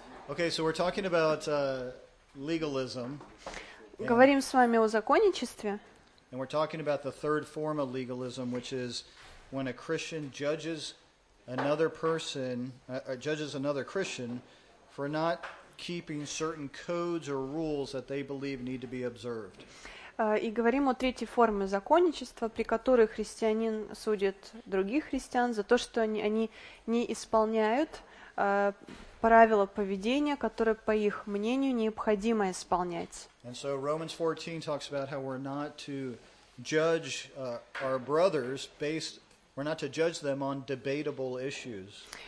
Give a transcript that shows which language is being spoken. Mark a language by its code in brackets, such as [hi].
[en] Okay, so we're talking about legalism. [ru] Говорим с вами о законничестве. [en] And we're talking about the third form of legalism, which is when a Christian judges another person, judges another Christian for not keeping certain codes or rules that they believe need to be observed. [ru] И говорим о третьей форме законничества, при которой христианин судит других христиан за то, что они не исполняют правила поведения, которые, по их мнению, необходимо исполнять. [en] And so Romans 14 talks about how we're not to judge our brothers based, we're not to judge them on debatable issues.